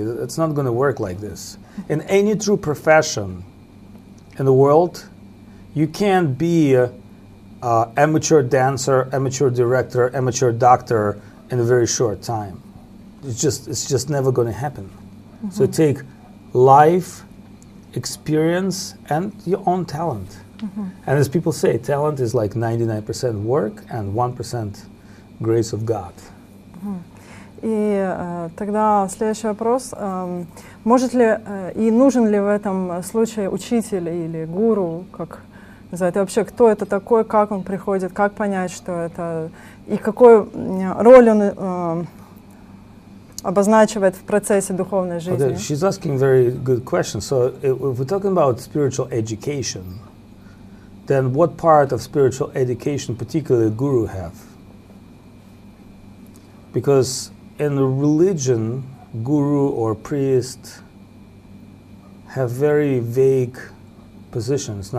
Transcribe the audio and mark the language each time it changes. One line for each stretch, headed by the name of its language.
English: It's not going to work like this. In any true profession in the world, you can't be an amateur dancer, amateur director, amateur doctor in a very short time. It's just never going to happen. Mm-hmm. So take life, experience, and your own talent. Mm-hmm. And as people say, talent is like 99% work and 1% grace of God.
Russian: И тогда следующий вопрос. Может ли и нужен ли в этом случае учитель или гуру, как называют, вообще кто это такой, как он приходит, как понять, что это, и какую роль он обозначивает в процессе духовной жизни?
English: Okay, she's asking very good questions. So if we're talking about spiritual education, then what part of spiritual education particularly guru have? Because in the religion, guru or priest have very vague positions.